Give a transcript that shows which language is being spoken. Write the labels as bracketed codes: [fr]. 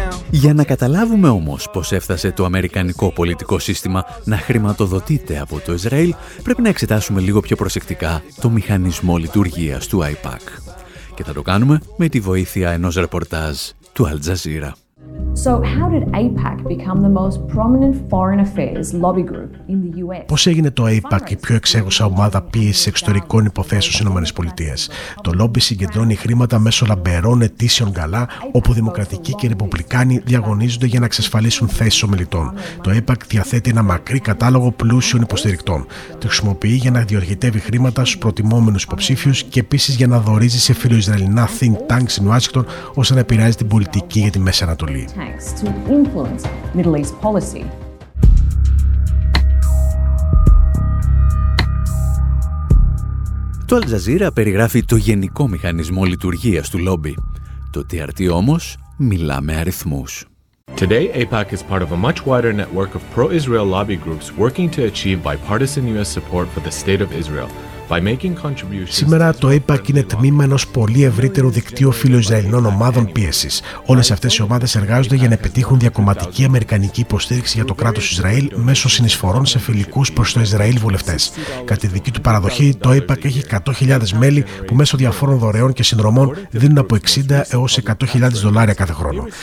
[el] Για να καταλάβουμε όμως πώς έφτασε το αμερικανικό πολιτικό σύστημα να χρηματοδοτείται από το Ισραήλ, πρέπει να εξετάσουμε λίγο πιο προσεκτικά το μηχανισμό λειτουργίας του AIPAC. Και θα το κάνουμε με τη βοήθεια ενός ρεπορτάζ του Al Jazeera. [en] So how did AIPAC become the most prominent foreign affairs lobby group in the US? [el] Πώς έγινε το AIPAC η πιο εξέγουσα ομάδα πίεσης εξωτερικών υποθέσεων στις Ηνωμένες Πολιτείες? Το λόμπι συγκεντρώνει χρήματα μέσω λαμπερών αιτήσεων γκαλά, όπου δημοκρατικοί και ρεπουμπλικάνοι διαγωνίζονται για να εξασφαλίσουν θέσεις ομιλητών. Το AIPAC διαθέτει ένα μακρύ κατάλογο πλούσιων υποστηρικτών. Το χρησιμοποιεί για να διοργητεύει χρήματα στους προτιμόμενους υποψήφιους και επίσης για να δορίζει σε φιλοϊσραηλινά think tanks στην Ουάσιγκτον, ώστε να επηρεάζει την πολιτική για τη Μέση Ανατολή. [en] To influence Middle East policy. [el] Το Al Jazeera περιγράφει το γενικό μηχανισμό λειτουργίας του λόμπι. Το TRT όμως μιλά με αριθμούς. [en] Today, AIPAC is part of a much wider network of pro-Israel lobby groups working to achieve bipartisan US support for the state of Israel. [el] Σήμερα το AIPAC είναι τμήμα ενός πολύ ευρύτερου δικτύου φιλοϊσραηλινών ομάδων πίεσης. Όλες αυτές οι ομάδες εργάζονται για να επιτύχουν διακομματική αμερικανική υποστήριξη για το κράτος Ισραήλ μέσω συνεισφορών σε φιλικούς προς το Ισραήλ βουλευτές. Κατά τη δική του παραδοχή, το AIPAC έχει 100.000 μέλη που μέσω διαφόρων δωρεών και συνδρομών δίνουν από 60 έως 100.000 δολάρια κάθε χρόνο.